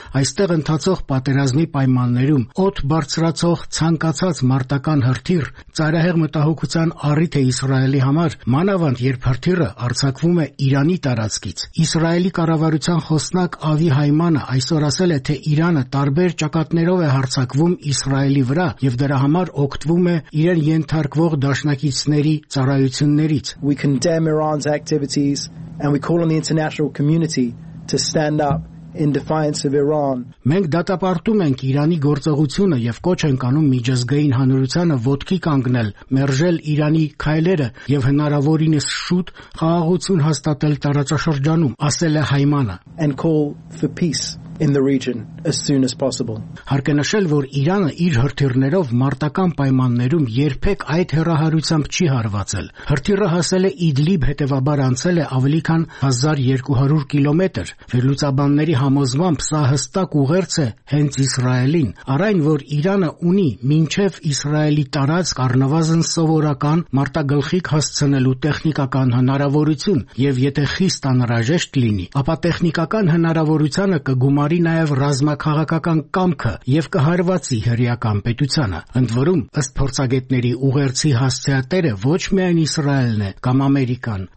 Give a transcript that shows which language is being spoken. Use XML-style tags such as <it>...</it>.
<hy>Այստեղ ընթացող պատերազմի պայմաններում օդ բարձրացող ցանկացած մարտական հրթիռ ծայրահեղ մտահոգության առիթ է Իսրայելի համար, մանավանդ երբ հրթիռը արձակվում է Իրանի տարածքից։ Իսրայելի կառավարության խոսնակ Ավի Հայմանը այսօր ասել է, թե Իրանը տարբեր ճակատներով է հարձակվում Իսրայելի վրա եւ դրա համար օգտվում է իրեն ենթարկվող դաշնակիցների ծառայություններից։</hy> <en>We condemn Iran's activities and we call on the international community to stand up in defiance of Iran.</en> <hy>Մենք դատապարտում ենք Իրանի գործողությունը եւ կոչ ենք անում միջազգային հանրությանը ոտքի կանգնել, մերժել Իրանի քայլերը եւ հնարավորինս շուտ խաղաղություն հաստատել տարածաշրջանում, ասել է Հայմանը.</hy> <en>And call for peace in the region as soon as possible.</en> <hy>Հարկնաշել, որ Իրանը իր հրթիռներով մարտական պայմաններում երբեք այդ հերահարությամբ չի հարվածել։ Հրթիռը հասել է Իդլիբ, հետևաբար անցել է ավելի քան 1200 կիլոմետր։ Վերլուծաբանների համոզմամբ սա հստակ ուղերձ է հենց Իսրայելին, առ այն, որ Իրանը ունի մինչև Իսրայելի տարածք առնվազն սովորական մարտագլխիկ հասցնելու տեխնիկական հնարավորություն, եւ եթե խիստ անհրաժեշտ լինի, ապա տեխնիկական հնարավորությունը կգումարի նաեւ ռազմաքաղաքական կամքը եւ կհարվածի հրեական պետությանը։ Ընդ որում, ըստ փորձագետների, ուղերձի հասցեատերը ոչ միայն Իսրայելն է կամ Ամերիկան,</hy>